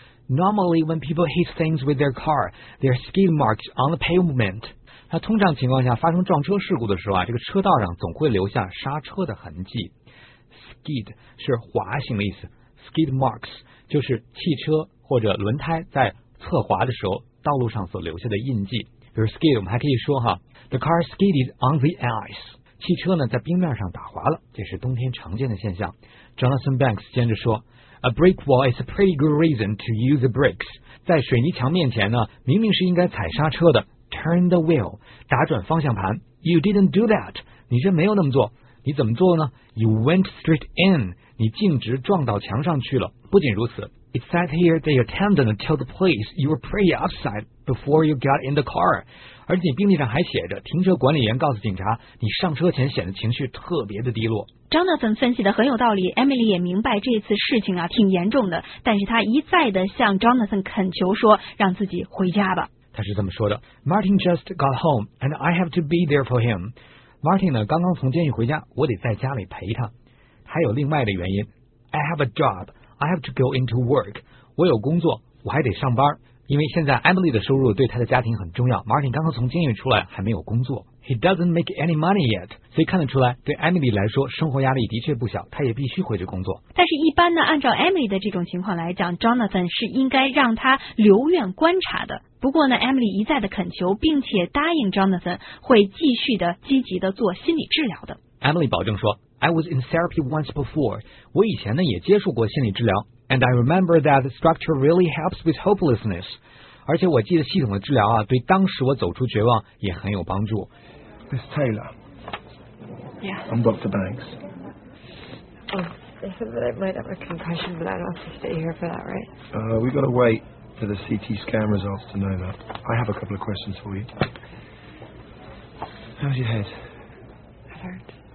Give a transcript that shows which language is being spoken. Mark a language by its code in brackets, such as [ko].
[en] Normally when people hit things with their car, there are skid marks on the pavement. [zh] 他通常情况下发生撞车事故的时候啊，这个车道上总会留下刹车的痕迹。 Skid 是滑行的意思， Skid marks 就是汽车或者轮胎在侧滑的时候道路上所留下的印记。比如 [en] skid [zh] 我们还可以说哈， [en] The car skidded on the ice. [zh] 汽车呢在冰面上打滑了，这是冬天常见的现象。 [en] Jonathan Banks [zh] 接着说， [en] A brick wall is a pretty good reason to use the brakes. [zh] 在水泥墙面前呢，明明是应该踩刹车的， [en] turn turn the wheel, [zh] 打转方向盘。 [en] You didn't do that, [zh] 你却没有那么做。你怎么做呢？ [en] You went straight in, [zh] 你径直撞到墙上去了。不仅如此， [en] It says here the attendant told the police you were pretty upset before you got in the car. [zh] 而且病历上还写着，停车管理员告诉警察，你上车前显得情绪特别的低落。 Jonathan 分析的很有道理， Emily 也明白这次事情啊挺严重的，但是他一再的向 Jonathan 恳求说让自己回家吧。他是这么说的， [en] Martin just got home and I have to be there for him. [zh] Martin 呢刚刚从监狱回家，我得在家里陪他。还有另外的原因， [en] I have a job, I have to go into work. [zh] 我有工作，我还得上班。因为现在 Emily 的收入对她的家庭很重要， Martin 刚刚从监狱出来还没有工作。 [en] He doesn't make any money yet. [zh] 所以看得出来，对 Emily 来说，生活压力的确不小，她也必须回去工作。但是一般呢，按照 Emily 的这种情况来讲， Jonathan 是应该让她留院观察的。不过呢， Emily 一再的恳求，并且答应 Jonathan 会继续的积极的做心理治疗的。 [en] Emily [zh] 保证说， [en] I was in therapy once before. [zh] 我以前呢也接触过心理治疗。 [en] And I remember that the structure really helps with hopelessness. [zh] 而且我记得系统的治疗啊，对当时我走出绝望也很有帮助。 [en] Miss Taylor. Yeah. I'm Dr. Banks. Oh, they said that I might have a concussion, but I don't have to stay here for that, right? We've got to wait for the CT scan results to know that. I have a couple of questions for you. How's your head? It hurts.